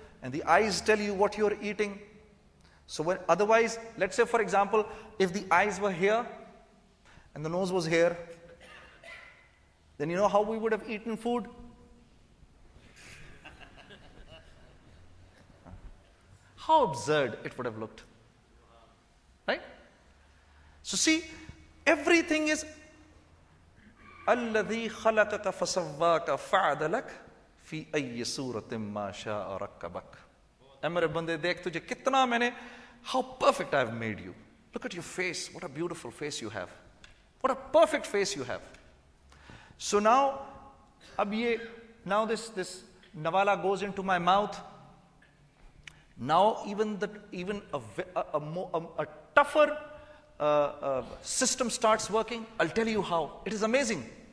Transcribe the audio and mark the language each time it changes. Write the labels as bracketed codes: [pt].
[en] And the eyes tell you what you're eating. So when, otherwise, let's say for example, if the eyes were here and the nose was here, then you know how we would have eaten food? How absurd it would have looked. Right? So see, everything is [ar] الَّذِي خَلَقَكَ فَسَوَّاكَ فَعْدَلَكَ فِي أَيِّ سُورَةٍ مَا شَاءَ رَكَّبَكَ [ur] اے میرے بندے دیکھ تجھے کتنا میں نے [en] how perfect I have made you. Look at your face. What a beautiful face you have. What a perfect face you have. So now, this nawala goes into my mouth. Now even a tougher system starts working. I'll tell you how. It is amazing.